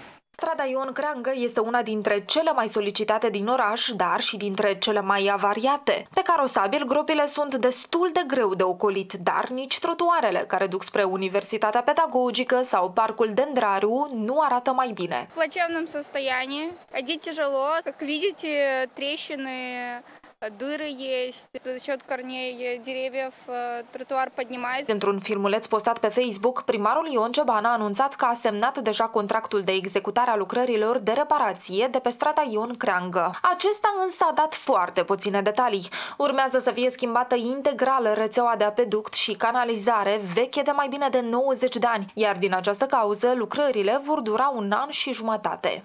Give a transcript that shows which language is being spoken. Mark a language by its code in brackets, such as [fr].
[ro] Strada Ion Creangă este una dintre cele mai solicitate din oraș, dar și dintre cele mai avariate. Pe carosabil, gropile sunt destul de greu de ocolit, dar nici trotuarele care duc spre Universitatea Pedagogică sau Parcul Dendrariu nu arată mai bine. [ru] В плачевном состоянии, ходить тяжело, как видите, трещины, дыры есть, за счет корней деревьев тротуар поднимается. [ro] Într-un filmuleț postat pe Facebook, primarul Ion Ceban a anunțat că a semnat deja contractul de executare a lucrărilor de reparație de pe strada Ion Creangă. Acesta însă a dat foarte puține detalii. Urmează să fie schimbată integrală rețeaua de apeduct și canalizare veche de mai bine de 90 de ani, iar din această cauză lucrările vor dura un an și jumătate.